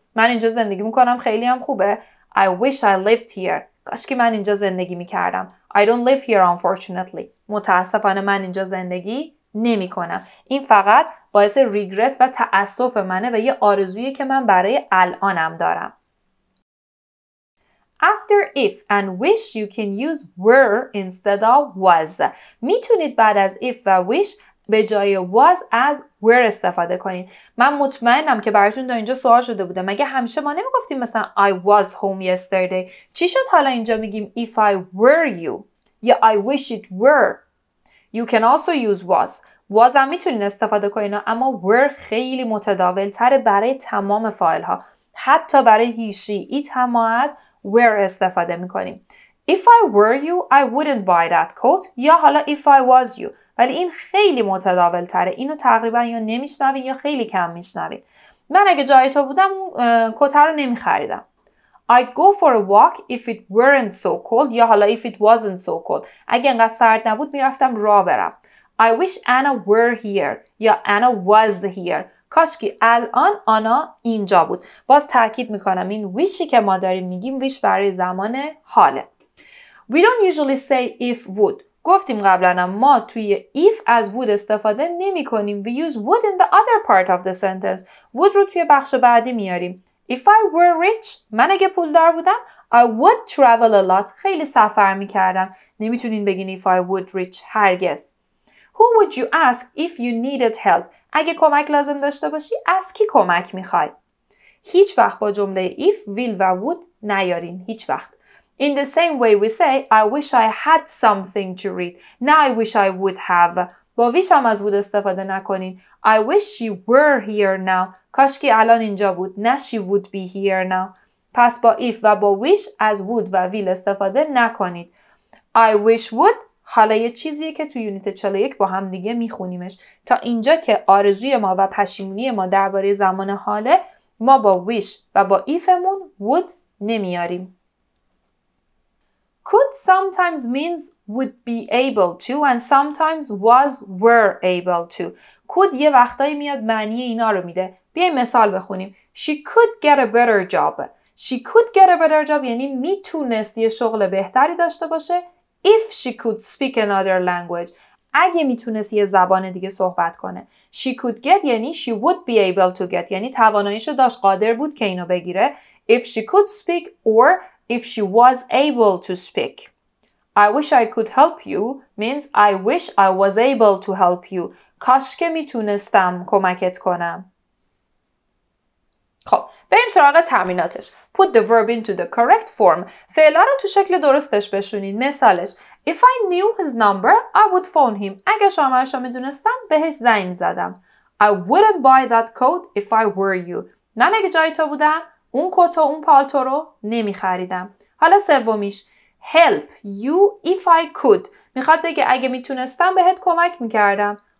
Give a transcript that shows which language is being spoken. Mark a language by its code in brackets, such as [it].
[fa] من اینجا زندگی میکنم خیلی هم خوبه. [en] I wish I lived here. [fa] کاش که من اینجا زندگی میکردم. [en] I don't live here unfortunately. [fa] متاسفانه من اینجا زندگی نمی کنم. این فقط باعث ریگرت و تأسف منه و یه آرزویه که من برای الانم دارم. [en] After if and wish you can use were instead of was. [fa] میتونید بعد از if و wish به جای was از were استفاده کنید. من مطمئنم که براتون دا اینجا سوال شده بوده. مگه همیشه ما نمیگفتیم مثلا [en] I was home yesterday. [fa] چی شد حالا اینجا میگیم [en] if I were you یا I wish it were. You can also use was. [fa] Was هم میتونین استفاده کنین اما were خیلی متداول تره برای تمام فایل ها. حتی برای he, she, it هم ما از where استفاده میکنیم. [en] If I were you, I wouldn't buy that coat. [fa] یا حالا [en] if I was you. [fa] ولی این خیلی متداول تره. اینو تقریبا یا نمیشنوید یا خیلی کم میشنوید. من اگه جای تو بودم کت رو نمیخریدم. [en] I'd go for a walk if it weren't so cold. [fa] یا حالا [en] if it wasn't so cold. [fa] اگه انقدر سرد نبود میرفتم راه برم. [en] I wish Anna were here. یا Anna was here. [fa] کاش که الان آنا اینجا بود. باز تاکید میکنم این wishی که ما داریم میگیم wish برای زمان حاله. [en] We don't usually say if would. [fa] گفتیم قبلنم ما توی if از would استفاده نمی کنیم. [en] We use would in the other part of the sentence. [fa] Would رو توی بخش بعدی میاریم. [en] If I were rich, [fa] من اگه پولدار بودم, [en] I would travel a lot. [fa] خیلی سفر می کردم. نمی تونین بگین [en] if I would rich. [fa] هرگز. [en] Who would you ask if you needed help? [fa] اگه کمک لازم داشته باشی, از کی کمک می خوای؟ هیچ وقت با جمله if, will و would نیارین. هیچ وقت. [en] In the same way we say, I wish I had something to read. Now I wish I would have. [fa] با wish هم از would استفاده نکنین. [en] I wish she were here now. [fa] کاش که الان اینجا بود. [en] نه she would be here now. [fa] پس با if و با wish از would و will استفاده نکنید. [en] I wish would. [fa] حالا یه چیزیه که تو یونیت 41 با هم دیگه میخونیمش. تا اینجا که آرزوی ما و پشیمونی ما درباره زمان حاله ما با wish و با ifمون would نمیاریم. [en] Could sometimes means would be able to and sometimes was were able to. [fa] Could یه وقتایی میاد معنی اینا رو میده. بیایم مثال بخونیم. [en] She could get a better job. She could get a better job [fa] یعنی میتونست یه شغل بهتری داشته باشه [en] if she could speak another language. [fa] اگه میتونست یه زبان دیگه صحبت کنه. [en] She could get یعنی she would be able to get [fa] یعنی تواناییشو داشت قادر بود که اینو بگیره [en] if she could speak or if she was able to speak. I wish I could help you means I wish I was able to help you. [fa] کاش که میتونستم کمکت کنم. خب بریم سراغ تمریناتش. [en] Put the verb into the correct form. [fa] فعلا رو تو شکل درستش بشونین. مثالش. [en] If I knew his number, I would phone him. [fa] اگه شماره‌اش رو میدونستم بهش زنگ زدم. [en] I wouldn't buy that coat if I were you. [fa] من اگه جای تو بودم اون کت و اون پالتو رو نمی خریدم. حالا سومیش. [en] Help you if I could. [fa] میخواد بگه اگه میتونستم بهت کمک میکردم.